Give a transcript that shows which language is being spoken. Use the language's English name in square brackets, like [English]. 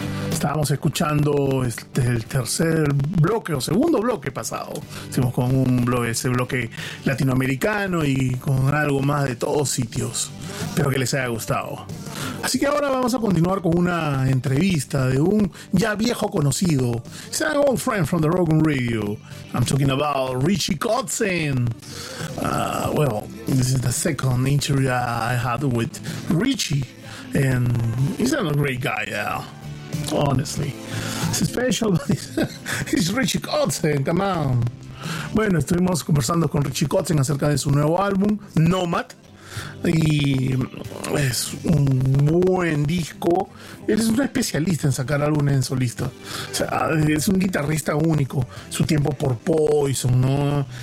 [Spanish] Estábamos escuchando el tercer bloque o segundo bloque pasado. Hicimos con ese bloque latinoamericano y con algo más de todos sitios. Espero que les haya gustado. Así que ahora vamos a continuar con una entrevista de un ya viejo conocido. [English] He's an old friend from the Rock'em Radio. I'm talking about Richie Kotzen. Well, this is the second interview I had with Richie. And he's a great guy, yeah. Honestly, it's special, but it's Richie Kotzen, come on. [Spanish] Bueno, estuvimos conversando con Richie Kotzen acerca de su nuevo álbum, Nomad, y es un buen disco. Él es un especialista en sacar álbumes en solista. O sea, es un guitarrista único, su tiempo por Poison, ¿no?